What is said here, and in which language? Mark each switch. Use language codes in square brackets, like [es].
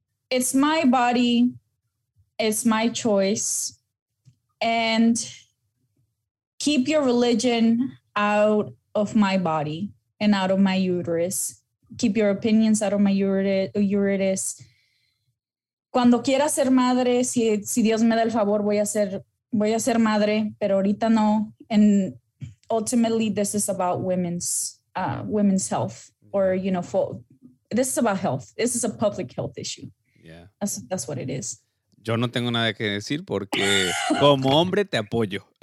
[en] It's my body. It's my choice. And keep your religion out of my body and out of my uterus. Keep your opinions out of my uterus. [es] Cuando quiera ser madre, si Dios me da el favor, voy a ser madre, pero ahorita no. [en] And ultimately, this is about women's health, or, you know, this is about health. This is a public health issue. Yeah. That's what it is. [es] Yo no tengo nada que decir porque como hombre te apoyo.